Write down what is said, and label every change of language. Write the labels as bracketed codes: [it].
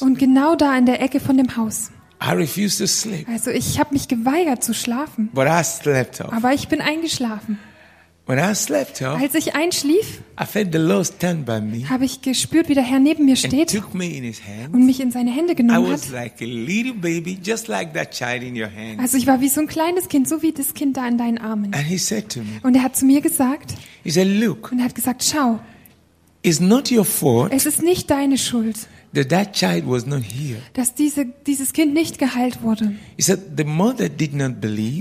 [de] Und genau da in der Ecke von dem Haus. [en] I refused to sleep. [de] Also ich habe mich geweigert zu schlafen. [en] But I slept off. [de] Aber ich bin eingeschlafen. [en] When I slept off, [de] als ich einschlief, [en] I felt the Lord stand by me, [de] habe ich gespürt, wie der Herr neben mir steht [en] and took me in his hands, [de] und mich in seine Hände genommen hat. [en] I was like a little baby, just like that child in your hands. [de] Also ich war wie so ein kleines Kind, so wie das Kind da in deinen Armen. [en] And he said to me, [de] und er hat zu mir gesagt, [en] he said, look, [de] und er hat gesagt, schau, [en] it's not your fault, [de] es ist nicht deine Schuld, [en] that child was not here. [de] Dass dieses Kind nicht geheilt wurde. [en] He said, the mother did not believe.